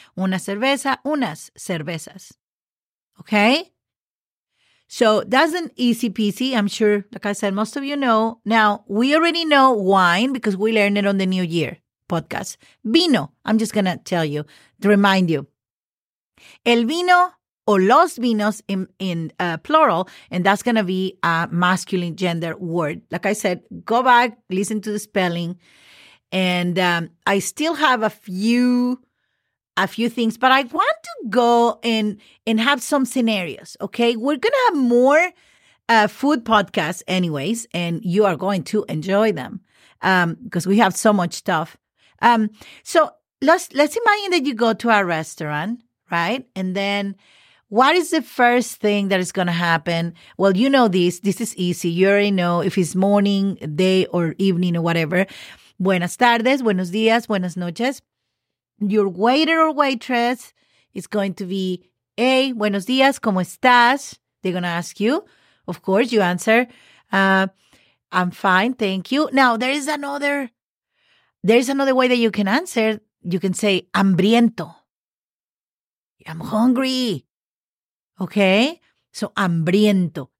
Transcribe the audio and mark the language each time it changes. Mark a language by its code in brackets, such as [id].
[es] Una cerveza, unas cervezas. [en] Okay? So that's an easy peasy. I'm sure, like I said, most of you know. Now, we already know wine because we learned it on the New Year podcast. Vino. I'm just going to tell you, to remind you. [es] El vino o los vinos [en] in plural, and that's going to be a masculine gender word. Like I said, go back, listen to the spelling. And I still have a few things, but I want to go and have some scenarios, okay? We're going to have more food podcasts anyways, and you are going to enjoy them because we have so much stuff. So let's imagine that you go to a restaurant, right? And then what is the first thing that is going to happen? Well, you know this. This is easy. You already know if it's morning, day, or evening, or whatever. [es] Buenas tardes, buenos días, buenas noches. [en] Your waiter or waitress is going to be, hey, [es] buenos días, ¿cómo estás? [en] They're going to ask you. Of course, you answer, I'm fine, thank you. Now, there's another way that you can answer. You can say, hambriento. I'm hungry. Okay? So, hambriento.